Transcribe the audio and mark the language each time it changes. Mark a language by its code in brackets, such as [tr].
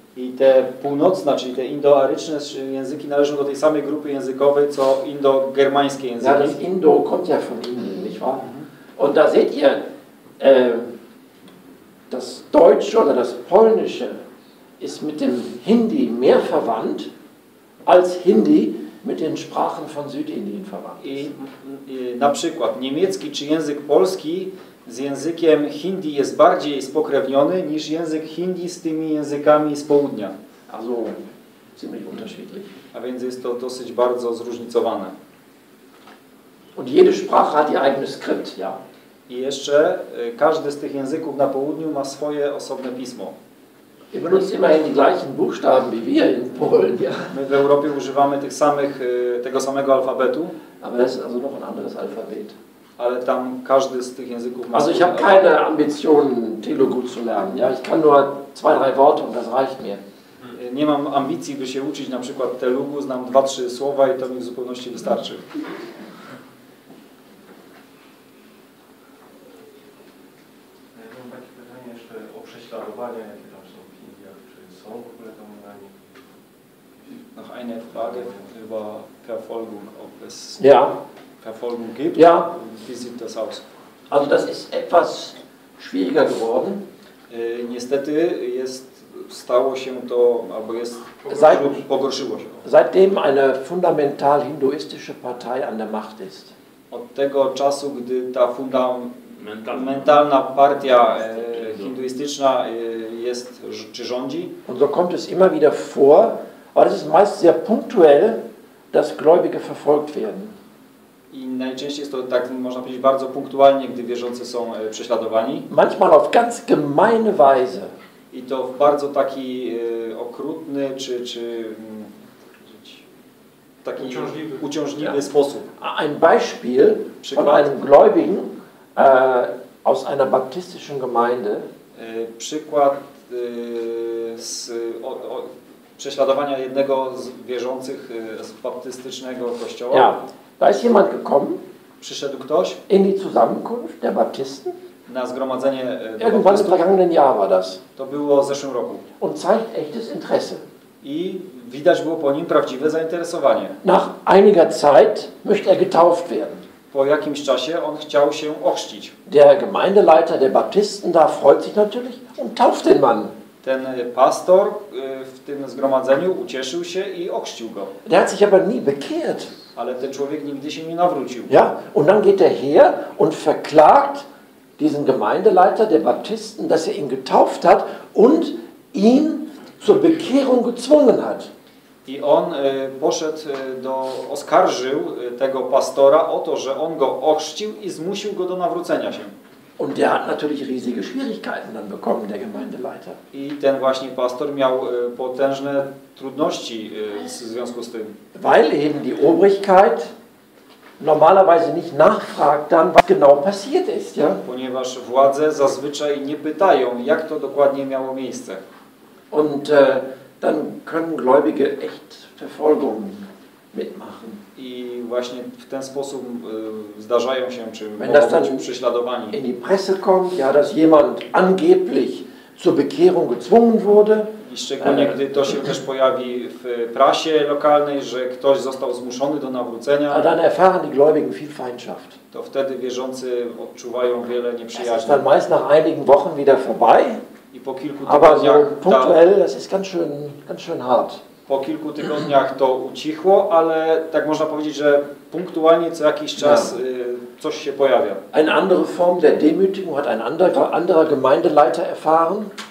[pl] I te północne, czyli te indoaryczne języki należą do tej samej grupy językowej, co indogermańskie języki. [de] Ja, das Indo kommt ja von Indien, nicht wahr? Und da seht ihr, das Deutsche oder das Polnische ist mit dem Hindi mehr verwandt, als Hindi mit den Sprachen von Südindien verwandt. [pl] I na przykład niemiecki czy język polski z językiem Hindi jest bardziej spokrewniony niż język Hindi z tymi językami z południa. [de] Also, ziemlich unterschiedlich. [pl] A więc jest to dosyć bardzo zróżnicowane. [de] Und jede Sprache hat ihr eigenes Skript, ja. [pl] I jeszcze każdy z tych języków na południu ma swoje osobne pismo. [de] Ihr benutzt immerhin die gleichen Buchstaben wie wir in Polen, ja. [pl] My w Europie używamy tych samych, tego samego alfabetu. [de] Aber das ist also noch ein anderes Alphabet. [pl] Ale tam każdy z tych języków ma. [de] Also ich habe keine Ambitionen Telugu zu lernen. Ja, ich kann nur zwei, drei Worte und das reicht mir. [pl] Nie mam ambicji, by się uczyć na przykład Telugu, znam 2-3 słowa i to mi w zupełności wystarczy. Mam takie pytanie jeszcze o prześladowania, jakie tam są w Indiach, czy są w ogóle tam na nie? [de] Noch eine Frage über Verfolgung, ob es. Ja. Verfolgung gibt. Ja. Wie sieht das aus? Also das ist etwas schwieriger geworden. [pl] Niestety jest, stało się to, albo jest, pogorszyło się. [de] Seitdem eine fundamental hinduistische Partei an der Macht ist. [pl] Od tego czasu, gdy ta fundamentalna partia hinduistyczna jest, czy rządzi. [de] Und so kommt es immer wieder vor, aber es ist meist sehr punktuell, dass Gläubige verfolgt werden. [pl] I najczęściej jest to tak, można powiedzieć, bardzo punktualnie, gdy wierzący są prześladowani. [de] Manchmal auf ganz gemeine Weise. [pl] I to w bardzo taki okrutny, czy taki uciążliwy sposób. [de] Ein Beispiel von einem Gläubigen aus einer baptistischen Gemeinde. [pl] Przykład z prześladowania jednego z wierzących z baptystycznego kościoła. [de] Ja. Da ist jemand gekommen. [pl] Przyszedł ktoś. [de] In die Zusammenkunft der Baptisten. [pl] Na zgromadzenie. [de] Irgendwann im vergangenen Jahr war das. [pl] To było w zeszłym roku. [de] Und zeigt echtes Interesse. [pl] I widać było po nim prawdziwe zainteresowanie. [de] Nach einiger Zeit möchte er getauft werden. [pl] Po jakimś czasie on chciał się ochrzcić. [de] Der Gemeindeleiter der Baptisten da freut sich natürlich und tauft den Mann. [pl] Ten pastor w tym zgromadzeniu ucieszył się i ochrzcił go. [de] Der hat sich aber nie bekehrt. [pl] Ale ten człowiek nigdy się nie nawrócił. [de] Ja, und dann geht er her und verklagt diesen Gemeindeleiter der Baptisten, dass er ihn getauft hat und ihn zur Bekehrung gezwungen hat. [pl] I on poszedł do, oskarżył tego pastora o to, że on go ochrzcił i zmusił go do nawrócenia się. [de] Und der hat natürlich riesige Schwierigkeiten dann bekommen, der Gemeindeleiter. [pl] I ten właśnie pastor miał potężne trudności w związku z tym. [de] Weil eben die Obrigkeit normalerweise nicht nachfragt dann, was genau passiert ist, ja? [pl] Ponieważ władze zazwyczaj nie pytają, jak to dokładnie miało miejsce. [de] Und dann können Gläubige echt Verfolgung mitmachen. [pl] I właśnie w ten sposób zdarzają się, czy mogą być prześladowani. [de] In die Presse kommt, ja, dass jemand angeblich zur Bekehrung gezwungen wurde. [pl] I szczególnie, gdy to się też pojawi w prasie lokalnej, że ktoś został zmuszony do nawrócenia. [de] A dann erfahren die Gläubigen viel Feindschaft. [pl] To wtedy wierzący odczuwają wiele nieprzyjaźni. [de] Es ist dann meist nach einigen Wochen wieder vorbei. [pl] I po kilku tygodniach. [de] Aber so punktuell, das ist ganz schön hart. [pl] Po kilku tygodniach to ucichło, ale tak można powiedzieć, że punktualnie co jakiś czas coś się pojawia. [de] Eine andere Form der Demütigung hat ein anderer Gemeindeleiter erfahren.